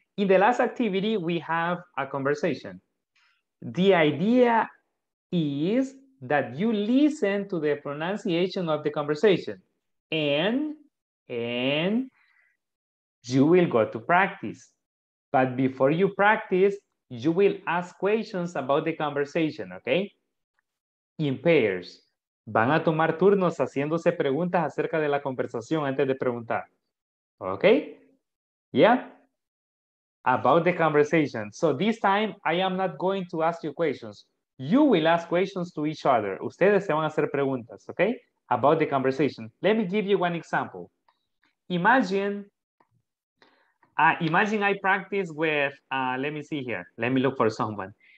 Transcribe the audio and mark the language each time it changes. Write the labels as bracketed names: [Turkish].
[English] In the last activity, we have a conversation. The idea is that you listen to the pronunciation of the conversation and you will go to practice. But before you practice, you will ask questions about the conversation, okay? In pairs. [Spanish] Van a tomar turnos haciéndose preguntas acerca de la conversación antes de preguntar. [English] Okay? Yeah? About the conversation. So this time, I am not going to ask you questions. You will ask questions to each other. [Spanish] Ustedes se van a hacer preguntas, [English] okay? About the conversation. Let me give you one example. Imagine I practice with, let me see here. Let me look for someone.